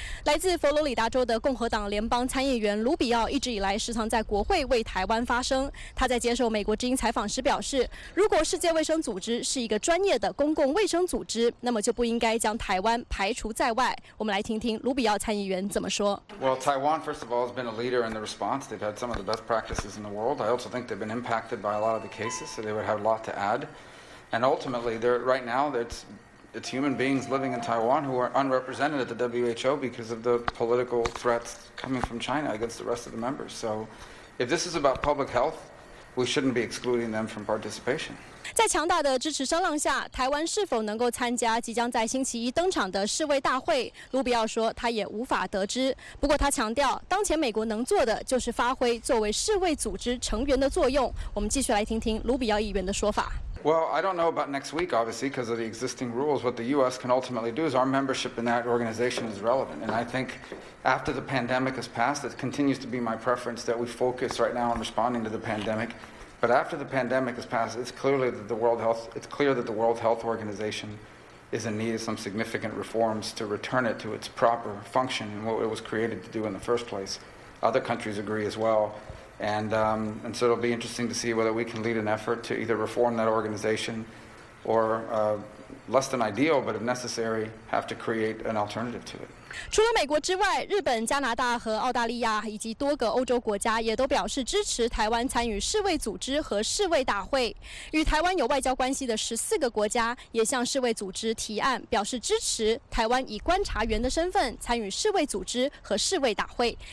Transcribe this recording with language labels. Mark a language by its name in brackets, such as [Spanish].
[Chinese] 来自佛罗里达州的共和党联邦参议员卢比奥一直以来时常在国会为台湾发声，他在接受美国之音采访时表示，如果世界卫生组织是一个专业的公共卫生组织，那么就不应该将台湾排除在外。我们来听听卢比奥参议员怎么说。 [English] Well, Taiwan, first of all, has been a leader in the response. They've had some of the best practices in the world. I also think they've been impacted by a lot of the cases, so they would have a lot to add. And ultimately, right now, it's human beings living in Taiwan who are unrepresented at the WHO because of the political threats coming from China against the rest of the members. So, if this is about public health, we shouldn't be excluding them from participation. [Chinese] 在强大的支持声浪下，台湾是否能够参加即将在星期一登场的世卫大会？卢比奥说，他也无法得知。不过他强调，当前美国能做的就是发挥作为世卫组织成员的作用。我们继续来听听卢比奥议员的说法。 [English] Well, I don't know about next week, obviously, because of the existing rules. What the U.S. can ultimately do is our membership in that organization is relevant. And I think after the pandemic has passed, it continues to be my preference that we focus right now on responding to the pandemic. But after the pandemic has passed, it's clear that the World Health Organization is in need of some significant reforms to return it to its proper function and what it was created to do in the first place. Other countries agree as well. And so it'll be interesting to see whether we can lead an effort to either reform that organization or, less than ideal, but if necessary, have to create an alternative to it. [Chinese] 除了美国之外，日本、加拿大和澳大利亚以及多个欧洲国家也都表示支持台湾参与世卫组织和世卫大会。与台湾有外交关系的14个国家也向世卫组织提案，表示支持台湾以观察员的身份参与世卫组织和世卫大会。